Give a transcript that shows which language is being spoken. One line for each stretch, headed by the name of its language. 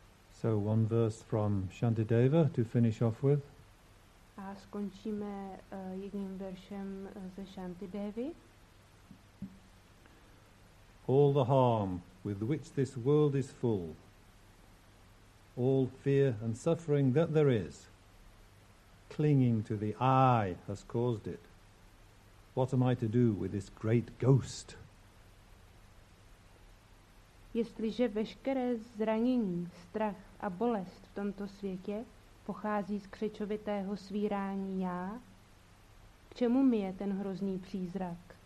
English: So one verse from Shantideva to finish off with.
Czech: A skončíme jedním veršem ze Shantidevi.
English: All the harm with which this world is full, all fear and suffering that there is, clinging to the I has caused it. What am I to do with this great ghost?
Czech: Jestliže veškeré zranění, strach a bolest v tomto světě pochází z křečovitého svírání já, k čemu mi je ten hrozný přízrak?